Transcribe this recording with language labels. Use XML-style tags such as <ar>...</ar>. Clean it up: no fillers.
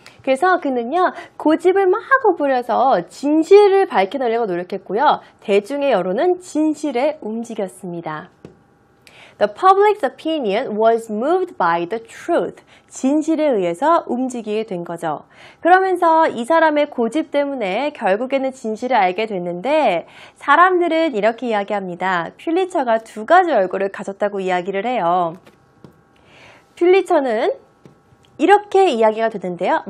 <ko>그래서 그는요, 고집을 막 부려서 진실을 밝혀내려고 노력했고요. 대중의 여론은 진실에 움직였습니다.</ko> <en>The public's opinion was moved by the truth.</en> <ko>진실에 의해서 움직이게 된 거죠. 그러면서 이 사람의 고집 때문에 결국에는 진실을 알게 됐는데 사람들은 이렇게 이야기합니다. 퓰리처가 두 가지 얼굴을 가졌다고 이야기를 해요. 퓰리처는 이렇게 이야기가 되는데요.</ko>